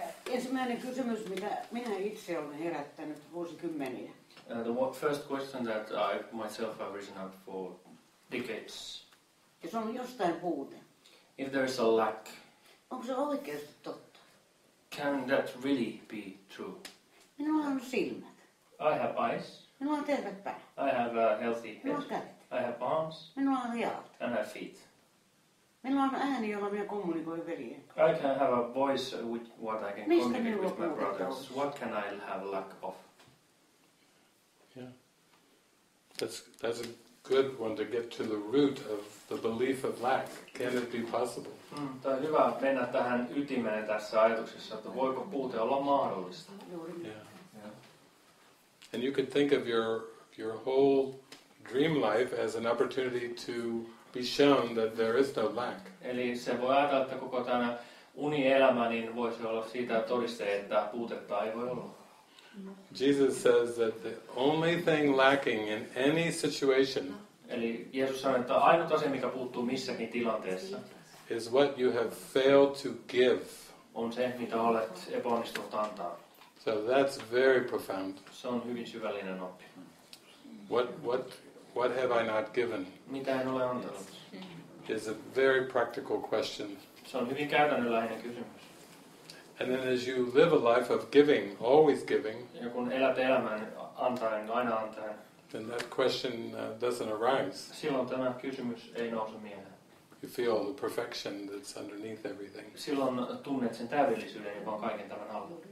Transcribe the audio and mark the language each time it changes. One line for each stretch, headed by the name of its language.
Finnish: Ensimmäinen kysymys, mitä minä itse olen herättänyt vuosikymmeniä.
English: The first question that I myself have risen up for decades.
Finnish: Ja se on jostain puute.
English: If there is a lack.
Finnish: Onko se oikeasti totta?
English: Can that really be true?
Finnish: Minulla on silmät.
English: I have eyes.
Finnish: Minulla on terveet päät.
English: I have a healthy head.
Finnish: Minulla on kädet.
English: I have arms.
Finnish: Minulla on jalat.
English: And I have feet.
Finnish: Minulla on ääni, jolla minä kommunikoin veljeen.
English: I can have a voice with what I can
Finnish: mistä
English: communicate with my brothers. What can I have lack of? Yeah. That's a good one to get to the root of the belief of lack. Can it be possible?
Finnish: Tämä on hyvä mennä tähän ytimeen tässä ajatuksessa, että voiko puute olla mahdollista.
English: And you could think of your whole dream life as an opportunity to be shown that there is no lack.
Finnish: Eli se voi ajatella, että koko tämä unielämä niin voisi olla siitä todiste, että puutetta ei voi olla.
English: Jesus says that the only thing lacking in any situation,
Finnish: eli Jeesus sanoo, että ainut asia, mikä puuttuu missäkin tilanteessa,
English: is what you have failed to give.
Finnish: On se, mitä olet epäonnistunut antaa.
English: So that's very profound.
Finnish: Se on hyvin syvällinen oppi.
English: What have I not given?
Finnish: Mitä en ole antanut?
English: Is a very practical question.
Finnish: Se on hyvin käytännönläheinen kysymys.
English: And then as you live a life of giving, always giving,
Finnish: ja kun elät elämän antaen, aina antaen,
English: then that question doesn't arise.
Finnish: Silloin tämä kysymys ei nouse mieleen.
English: You feel the perfection that's underneath everything.
Finnish: Silloin tunnet sen täydellisyyden, joka on kaiken tämän alla.